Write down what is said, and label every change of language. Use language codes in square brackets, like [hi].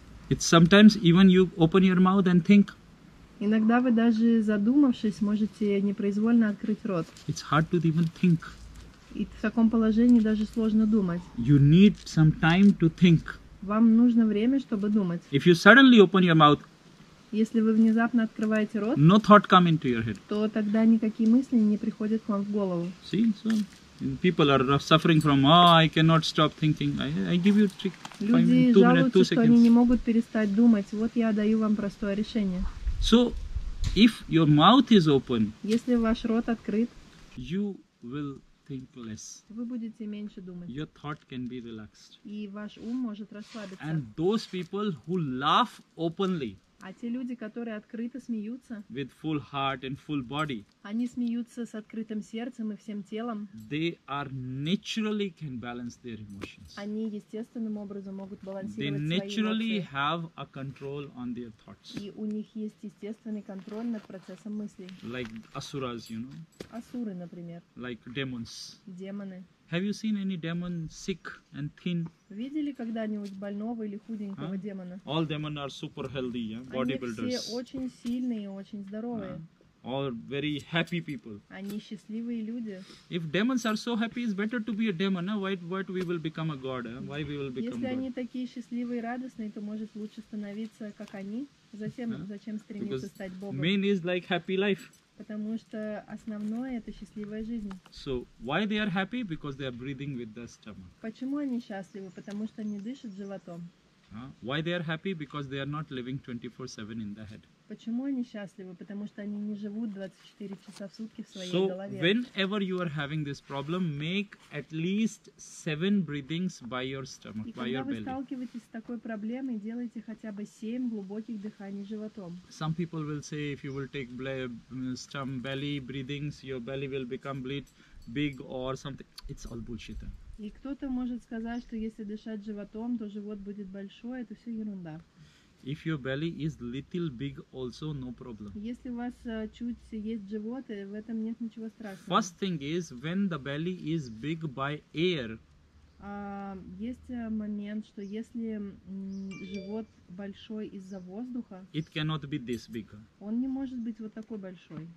[en] It's sometimes even you open your mouth and think. [ru] Иногда вы даже задумавшись можете непроизвольно открыть рот. [en] It's hard to even think. [ru] И в таком положении даже сложно думать. [en] You need some time to think. [ru] Вам нужно время, чтобы думать. [en] If you suddenly open your mouth, [ru] если вы внезапно открываете рот, [en] no thought come into your head. [ru] То тогда никакие мысли не приходят к вам в голову. [en] See, so people are suffering from, I cannot stop thinking. I give you a trick. [ru] Люди жалуются, что они не могут перестать думать. Вот я даю вам простое решение. [en] So, if your mouth is open, [ru] если ваш рот открыт, [en] you will think less. [ru] Вы будете меньше думать. [en] Your thought can be relaxed. [ru] И ваш ум может расслабиться. [en] And those people who laugh openly. [ru] А те люди, которые открыто смеются, [en] with full heart and full body, [ru] они смеются с открытым сердцем и всем телом. [en] They are naturally can balance their emotions. [ru] Они естественным образом могут балансировать свои эмоции. [en] They naturally have a control on their thoughts. [ru] И у них есть естественный контроль над процессом мыслей. [en] Like asuras, you know. [ru] Асуры, например. [en] Like demons. [ru] Демоны. [en] Have you seen any demon sick and thin? [ru] Видели когда-нибудь больного или худенького демона? [en] All demons are super healthy, yeah? Bodybuilders. [ru] Они все очень сильные и очень здоровые. [en] All very happy people. [ru] Они счастливые люди. [en] If demons are so happy, it's better to be a demon, huh? Why we will become a god, huh? Why we will become [ru] Если [en] god? [ru] Они такие счастливые и радостные, то может лучше становиться как они. Зачем стремиться [en] Because [ru] стать богом? [en] Main is like happy life. [ru] Потому что основное это счастливая жизнь. [en] So why they are happy? Because they are breathing with the stomach. [ru] Почему они счастливы? Потому что они дышат животом. [en] Why they are happy? Because they are not living 24/7 in the head. [ru] Почему они счастливы? Потому что они не живут 24 часа в сутки в своей [en] so [ru] голове. [en] So whenever you are having this problem, make at least 7 breathings by your stomach, [ru] И [en] by your belly. [ru] И когда вы сталкиваетесь с такой проблемой, делайте хотя бы 7 глубоких дыханий животом. [en] Some people will say, if you will take some belly breathings, your belly will become big or something. It's all bullshit. [ru] И кто-то может сказать, что если дышать животом, то живот будет большой, это все ерунда. [en] If your belly is little big also, no problem. [ru] Если у вас чуть есть живот, в этом нет ничего страшного. [en] First thing is, when the belly is big by air. [ru] Есть момент, что если живот большой из-за воздуха, [en] it cannot be this big. [ru] Он не может быть вот такой большой.